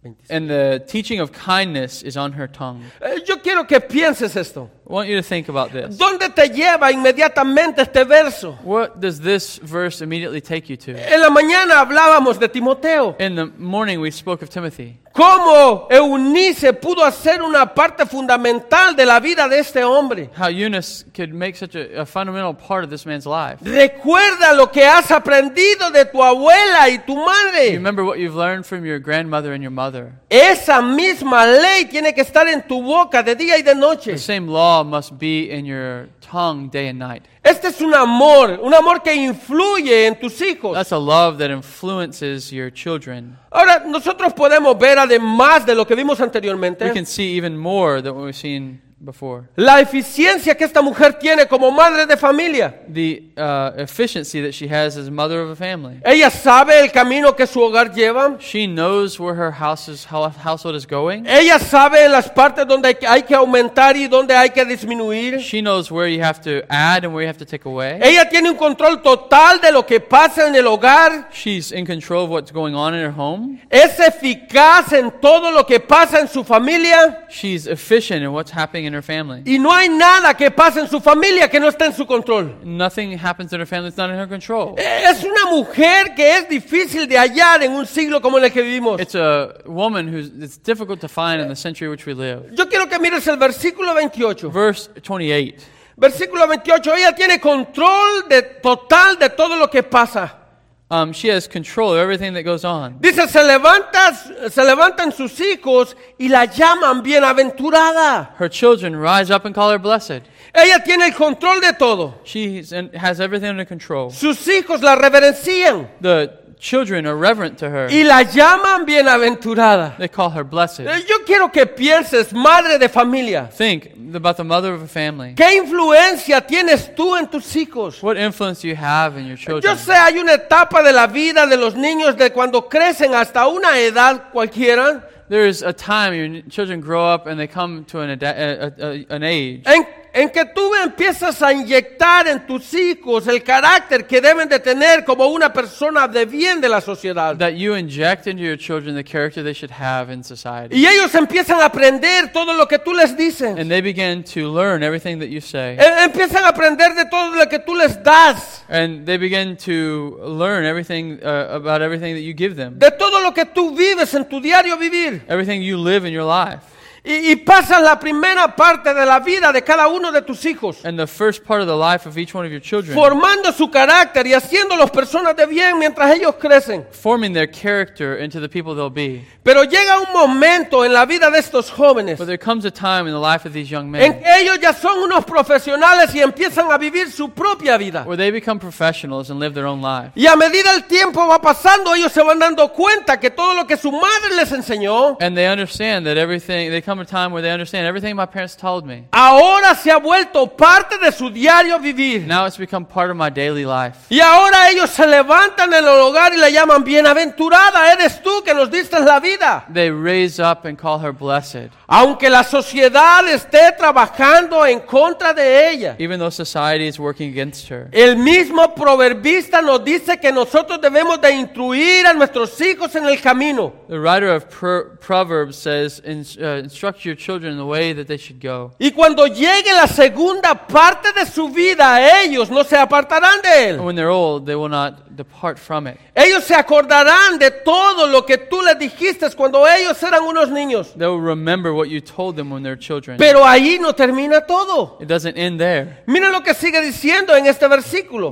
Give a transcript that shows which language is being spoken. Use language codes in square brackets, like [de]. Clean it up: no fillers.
[en] And the teaching of kindness is on her tongue. [es] Yo quiero que pienses esto. [en] I want you to think about this. [es] ¿Dónde te lleva inmediatamente este verso? [en] What does this verse immediately take you to? [es] En la mañana hablábamos de Timoteo. [en] In the morning we spoke of Timothy. [es] ¿Cómo Eunice pudo hacer una parte fundamental de la vida de este hombre? [en] How Eunice could make such a fundamental part of this man's life. [es] Recuerda lo que has aprendido de tu abuela y tu madre. [en] You remember what you've learned from your grandmother and your mother. [es] Esa misma ley tiene que estar en tu boca de día y de noche. [en] The same law must be in your tongue day and night. [es] Este es un amor que influye en tus hijos. [en] That's a love that influences your children. [es] Ahora, nosotros podemos ver además de lo que vimos anteriormente. [en] We can see even more than what we've seen before. [es] La eficiencia que esta mujer tiene como madre de familia. [en] The efficiency that she has as mother of a family. [es] Ella sabe el camino que su hogar lleva. [en] She knows where her household is going. [es] Ella sabe las partes donde hay que aumentar y donde hay que disminuir. [en] She knows where you have to add and where you have to take away. [es] Ella tiene un control total de lo que pasa en el hogar. [en] She's in control of what's going on in her home. [es] Es eficaz en todo lo que pasa en su familia. [en] She's efficient in what's happening in her family. [es] Y no hay nada que pase en su familia que no esté en su control. [en] Nothing happens in her family that's not in her control. [es] Es una mujer que es difícil de hallar en un siglo como en el que vivimos. [en] It's a woman it's difficult to find in the century in which we live. [es] Yo quiero que mires el versículo 28. [en] Verse 28. [es] Versículo 28, ella tiene control total de todo lo que pasa. [en] She has control of everything that goes on. [es] Dice, se levantan sus hijos y la llaman bienaventurada. [en] Her children rise up and call her blessed. [es] Ella tiene el control de todo. [en] She has everything under control. [es] Sus hijos la reverencian. [en] The children are reverent to her. [es] Y la llaman bienaventurada. [en] They call her blessed. [es] Yo quiero que pienses, madre de familia. [en] Think about the mother of a family. [es] ¿Qué influencia tienes tú en tus hijos? [en] What influence do you have in your children? [es] Yo sé, hay una etapa de la vida de los niños de cuando crecen hasta una edad cualquiera. [en] There is a time your children grow up and they come to an age. [es] En que tú empiezas a inyectar en tus hijos el carácter que deben de tener como una persona de bien de la sociedad. [en] That you inject into your children the character they should have in society. [es] Y ellos empiezan a aprender todo lo que tú les dices. [en] And they begin to learn everything that you say. [es] Empiezan a aprender de todo lo que tú les das. [en] And they begin to learn everything about everything that you give them. [es] De todo lo que tú vives en tu diario vivir. [en] Everything you live in your life. [es] Y pasas la primera parte de la vida de cada uno de tus hijos. [en] And the first part of the life of each one of your children. [es] Formando su carácter y haciéndolos personas de bien mientras ellos crecen. [en] Forming their character into the people they'll be. [es] Pero llega un momento en la vida de estos jóvenes. [en] But there comes a time in the life of these young men. [es] En que ellos ya son unos profesionales y empiezan a vivir su propia vida. [en] Where they become professionals and live their own life. [es] Y a medida el tiempo va pasando, ellos se van dando cuenta que todo lo que su madre les enseñó. [en] And they understand that everything. They come a time where they understand everything my parents told me. [es] Ahora se ha vuelto parte de su diario vivir. [en] Now it's become part of my daily life. [es] Y ahora ellos se levantan en el hogar y le llaman bienaventurada eres tú que nos diste la vida. [en] They raise up and call her blessed. [es] Aunque la sociedad esté trabajando en contra de ella. [en] Even though society is working against her. [es] El mismo proverbista nos dice que nosotros debemos de instruir a nuestros hijos en el camino. [en] The writer of Proverbs says instruct your children in the way that they should go. [es] Y cuando llegue la segunda parte de su vida, ellos no se apartarán de él. [en] And when they're old, they will not depart from it. [es] Ellos se acordarán de todo lo que tú les dijiste cuando ellos eran unos niños. [en] They will remember what you told them when they're children. [es] Pero ahí no termina todo. [en] It doesn't end there. [es] Miren lo que sigue diciendo en este versículo.